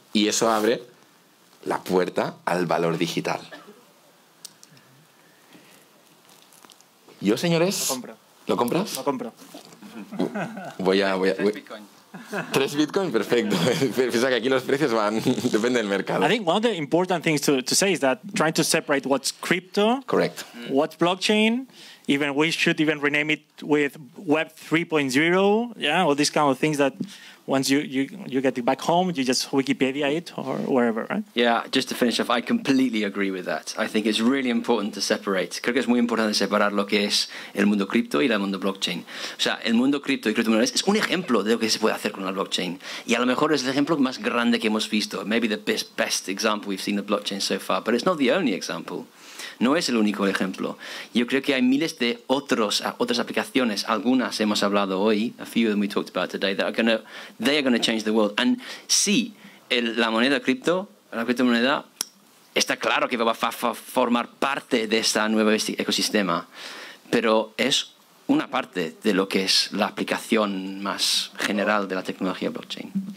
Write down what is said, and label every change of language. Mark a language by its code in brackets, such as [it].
[es] Y eso abre la puerta al valor digital. Yo, señores... Lo compro. ¿Lo compras? Lo compro. Voy a tres Bitcoin, perfecto. Piensa que aquí los precios van, depende del mercado. [en] I think one of the important things to say is that trying to separate what's crypto, correct, what's blockchain, even we should even rename it with Web 3.0, yeah, all these kind of things that once you get it back home, you just Wikipedia it or wherever, right? Yeah, just to finish off, I completely agree with that. I think it's really important to separate. [es] Creo que es muy importante separar lo que es el mundo cripto y el mundo blockchain. O sea, el mundo cripto y criptomonedas es un ejemplo de lo que se puede hacer con la blockchain. Y a lo mejor es el ejemplo más grande que hemos visto. [en] Maybe the best example we've seen of blockchain so far. But it's not the only example. [es] No es el único ejemplo. Yo creo que hay miles de otras aplicaciones. Algunas hemos hablado hoy, [en] a few of them we talked about today, that are going to change the world. [es] And sí, la criptomoneda, está claro que va a formar parte de este nuevo ecosistema, pero es una parte de lo que es la aplicación más general de la tecnología blockchain.